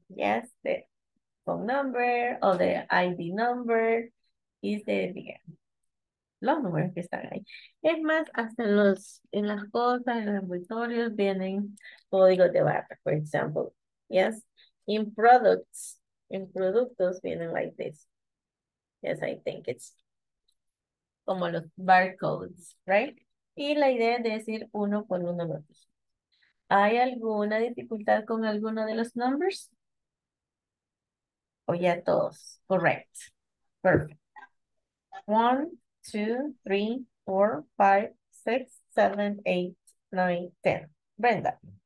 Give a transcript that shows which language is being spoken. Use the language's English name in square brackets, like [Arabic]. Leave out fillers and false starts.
[English] Yes, the phone number o the ID number is the idea. [Spanish] Los números que están ahí. Es más, hasta los, en las cosas, en los envoltorios, vienen códigos de barra, [English] for example. Yes? In products, [Spanish] en productos, vienen [English] like this. Yes, I think it's [Spanish] como los [English] barcodes, right? [Spanish] Y la idea es decir uno por uno los dos. ¿Hay alguna dificultad con alguno de los numbers? O ya todos. [English] Correct. Perfect. One, 2, 3, 4, 5, 6, 7, 8, 9, 10. Brenda.